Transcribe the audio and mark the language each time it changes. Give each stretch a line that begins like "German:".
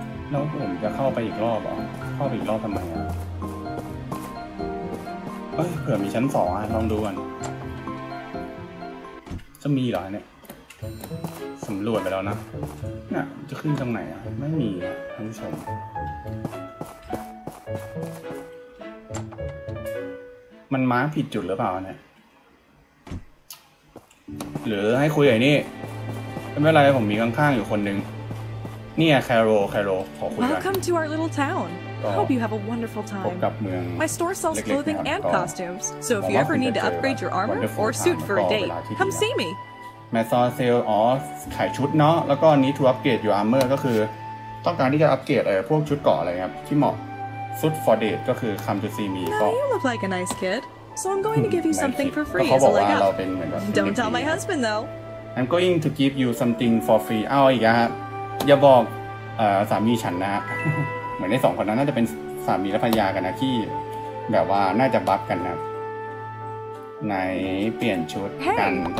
Thai: แล้วผมจะเข้าไปอีกรอบหรอเข้าไปอีกรอบทำไมอ่ะเผื่อมีชั้นสองอ่ะลองดูกันจะมีหรอเนี่ยสำรวจไปแล้วนะเนี่ยจะขึ้นตรงไหนอ่ะไม่มีอ่ะท่านผู้ชม มันมาผิดจุดหรือเปล่าเนี่ยหรือให้คุยไอ้นี่ไม่เป็นไรผมมีข้างๆอยู่คนนึงเนี่ยแคโรแคโรขอคุยกัน
English: Welcome to our little town. Hope you have a wonderful time.
Thai: พบกับเมือง
English: My store sells clothing and costumes. So if you ever need to upgrade your armor or suit for a date, come see me
Thai: แมซอนเซลอ๋อขายชุดเนาะแล้วก็นี้ทูอัปเกรดยูอาร์เมอร์ก็คือต้องการที่จะอัปเกรดไอ้พวกชุดเกราะอะไรครับที่เหมาะสุดฟอร์เดทก็คือคัมทูซีมีก็
English: You look like a nice kid so I'm going to give you something for free as a leg up Don't tell my husband though I'm going to give you something for free
Thai: เอาอีกครับอย่าบอกสามีฉันนะเหมือนในสองคนนั้นน่าจะเป็นสามีและภรรยากันนะที่แบบว่าน่าจะบัฟกันนะไหนเปลี่ยนชุดกัน